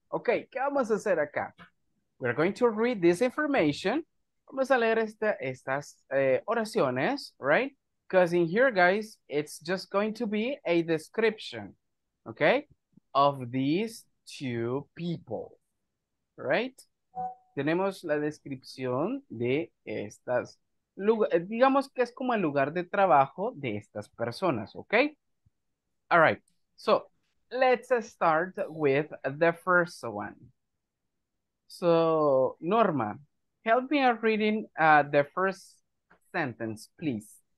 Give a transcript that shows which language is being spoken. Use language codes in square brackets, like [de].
[es] Okay, ¿qué vamos a hacer acá? [en] We're going to read this information. [es] Vamos a leer estas oraciones, right? [en] Because in here, guys, it's just going to be a description, okay, of these two people, right? [es] Tenemos la descripción de estas, digamos que es como el lugar de trabajo de estas personas, okay? [en] All right, so let's start with the first one. So, Norma, help me out reading the first sentence, please.